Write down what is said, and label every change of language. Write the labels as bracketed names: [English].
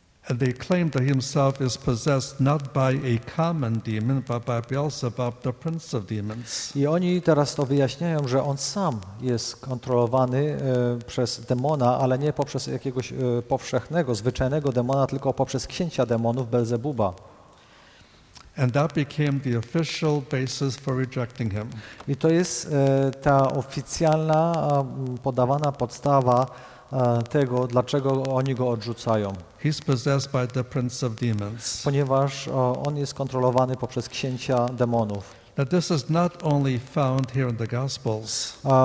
[English] And they claim that himself is possessed not by a common demon, but by Beelzebub, the prince of demons. [Polish] I oni teraz to wyjaśniają, że on sam jest kontrolowany przez demona, ale nie poprzez jakiegoś powszechnego, zwyczajnego demona, tylko poprzez księcia demonów Belzebuba. [English] And that became the official basis for rejecting him. [Polish] I to jest ta oficjalna podawana podstawa tego, dlaczego oni go odrzucają. [English] He's possessed by the prince of demons. [Polish] Ponieważ on jest kontrolowany poprzez księcia demonów. [English] Now this is not only found here in the Gospels.